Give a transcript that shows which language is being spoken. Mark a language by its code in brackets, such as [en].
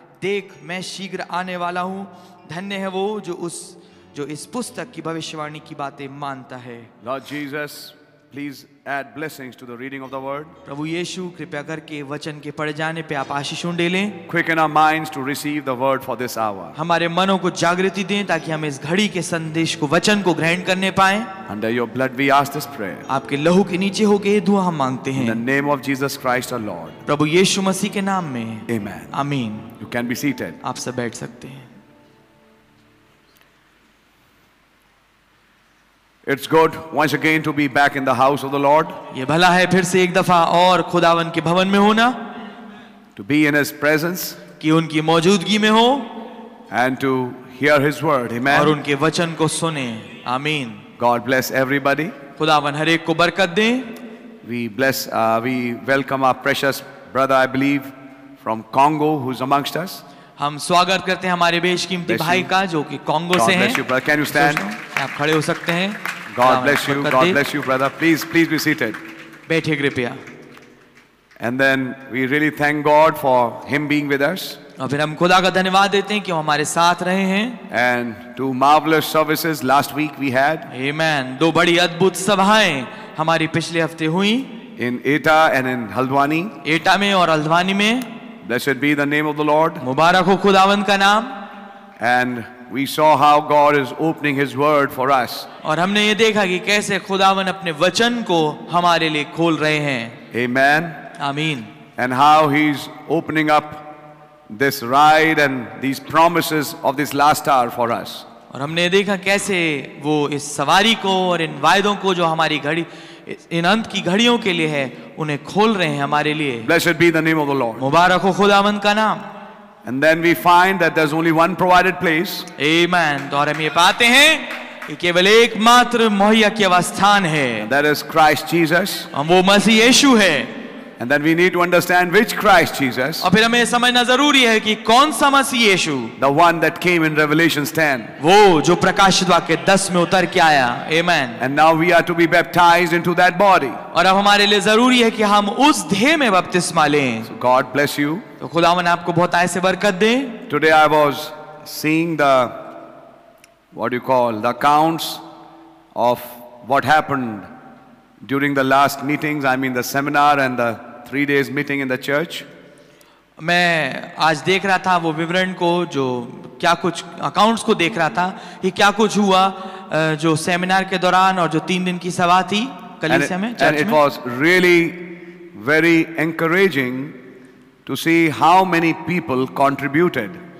[hi] देख, मैं शीघ्र आने वाला हूँ. धन्य है वो जो इस पुस्तक की भविष्यवाणी की बातें मानता है. [en] Lord Jesus, please add blessings to the reading of the word. [hi] प्रभु यीशु, कृपया करके वचन के पढ़ जाने पे आप आशीषों दे लें. [en] Quicken our minds to receive the word for this hour. [hi] हमारे मनों को जागृति दें ताकि हम इस घड़ी के संदेश को, वचन को ग्रहण करने पाएं. [en] Under your blood we ask this prayer. [hi] आपके लहू के नीचे होके ये दुआ हम मांगते हैं. [en] In the name of Jesus Christ our Lord. [hi] प्रभु यीशु मसीह के नाम में. [en] Amen. [hi] आमीन. [en] You can be seated. [hi] आप सब बैठ सकते हैं. [en] It's good once again to be back in the house of the Lord. [hi] ये भला है फिर से एक दफा और खुदावन के भवन में होना. [en] To be in His presence. [hi] कि उनकी मौजूदगी में हो. [en] And to hear His word. Amen. [hi] और उनके वचन को सुने. आमीन. [en] God bless everybody. [hi] खुदावन हर एक को बरकत दें. [en] We welcome our precious brother, I believe, from Congo, who's amongst us. [hi] हम स्वागत करते हैं हमारे बेशकीमती भाई का जो कि कांगो से हैं. [en] God bless you, can you stand? [hi] आप खड़े हो सकते हैं. [en] God bless you. God bless you, brother. Please be seated. [hi] बैठिए कृपया. [en] And then we really thank God for Him being with us. [hi] और फिर हम खुदा का धन्यवाद देते हैं कि वो हमारे साथ रहे हैं. [en] And two marvelous services last week we had. Amen. [hi] दो बड़ी अद्भुत सभाएं हमारी पिछले हफ्ते हुई. [en] In Eta and in Haldwani. [hi] एटा में और हल्द्वानी में. [en] Blessed be the name of the Lord. [hi] मुबारक हो खुदावंद का नाम. [en] And we saw how God is opening His word for us. [hi] और हमने ये देखा कि कैसे खुदावंद अपने वचन को हमारे लिए खोल रहे हैं. [en] Amen. [hi] आमीन. [en] And how He's opening up this ride and these promises of this last hour for us. [hi] और हमने देखा कैसे वो इस सवारी को और इन वायदों को जो हमारी घड़ी इन अंत की घड़ियों के लिए है उन्हें खोल रहे हैं हमारे लिए [en] Blessed be the name of the Lord. [hi] मुबारक हो खुदावंद का नाम [en] And then we find that there's only one provided place. Amen. [hi] तो और हम ये पाते हैं कि केवल एकमात्र मुहैया किया हुआ स्थान है. [en] And that is Christ Jesus. [hi] और वो मसीह यीशु है. [en] And then we need to understand which Christ Jesus. [hi] और फिर हमें समझना जरूरी है कि कौन सा मसीह यीशु. [en] The one that came in Revelation 10. [hi] वो जो प्रकाशित वाक्य 10 में उतर के आया. [en] Amen. And now we are to be baptized into that body. [hi] और अब हमारे लिए जरूरी है कि हम उस देह में बपतिस्मा लें. [en] So God bless you. [hi] तो खुदावन आपको बहुत आय से बरकत दे. [en] Today I was seeing the what do you call the accounts of what happened during the last meetings. I mean the seminar and the 3 days meeting in the church. [hi] मैं आज देख रहा था वो विवरण को जो क्या कुछ accounts को देख रहा था कि क्या कुछ हुआ जो seminar के दौरान और जो 3 दिन की सभा थी कलीसिया में church में. [en] And it was really very encouraging. To see how many people contributed.